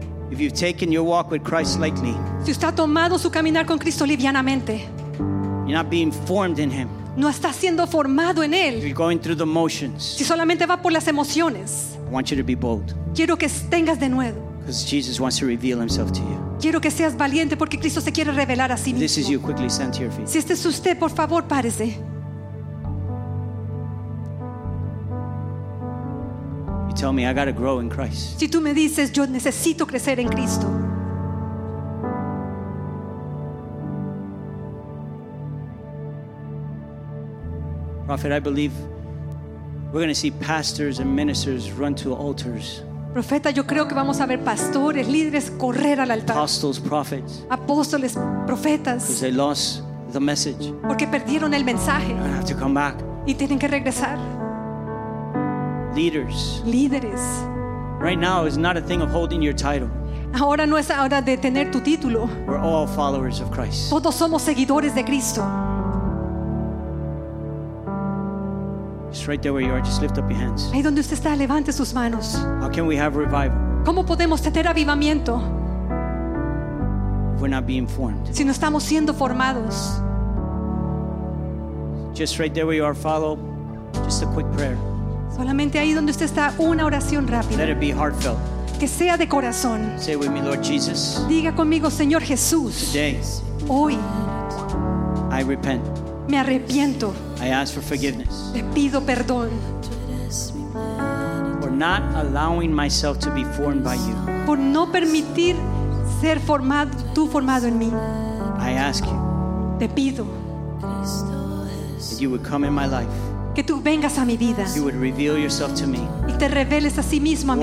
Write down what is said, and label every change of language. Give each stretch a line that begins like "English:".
English: If you've taken your walk with Christ lightly,
Spanish: si usted ha tomado su caminar con Cristo livianamente,
English: you're not being formed in Him.
Spanish: No está siendo formado en Él.
English: If you're going through the motions,
Spanish: si solamente va por las emociones,
English: I want you to be bold.
Spanish: Quiero que tengas de nuevo.
English: Because Jesus wants to reveal Himself to you.
Spanish: Quiero que seas valiente porque Cristo se quiere revelar a sí mismo.
English: This is you. Quickly stand to your feet.
Spanish: Si este es usted, por favor, párese.
English: You tell me, I got to grow in Christ.
Spanish: Si tú me dices, yo necesito crecer en Cristo.
English: Prophet, I believe we're going to see pastors and ministers run to altars.
Spanish: Profeta, yo creo que vamos a ver pastores, líderes correr al altar.
English: Apostles, prophets.
Spanish: Apóstoles, profetas.
English: Because they lost the message.
Spanish: Porque perdieron el mensaje.
English: They have to come back.
Spanish: Y tienen que regresar.
English: Leaders.
Spanish: Líderes.
English: Right now is not a thing of holding your title.
Spanish: Ahora no es hora de tener tu título.
English: We're all followers of Christ.
Spanish: Todos somos seguidores de Cristo.
English: Right there where you are, just lift up your hands.
Spanish: Ahí donde usted está, levante sus manos.
English: How can we have revival?
Spanish: ¿Cómo podemos tener avivamiento?
English: If we're not being formed.
Spanish: Si no estamos siendo formados.
English: Just right there where you are, follow. Just a quick prayer.
Spanish: Solamente ahí donde usted está, una oración rápida.
English: Let it be heartfelt.
Spanish: Que sea de corazón.
English: Say with me, Lord Jesus.
Spanish: Diga conmigo, Señor Jesús.
English: Today.
Spanish: Hoy.
English: I repent.
Spanish: Me arrepiento.
English: I ask for forgiveness.
Spanish: Le pido perdón.
English: For not allowing myself to be formed by you.
Spanish: Por no permitir ser formado, tú formado en mí.
English: I ask you.
Spanish: Te pido.
English: That you would come in my life.
Spanish: Que tú vengas a mi vida.
English: You would reveal yourself to me.
Spanish: Y te reveles a sí mismo a mí.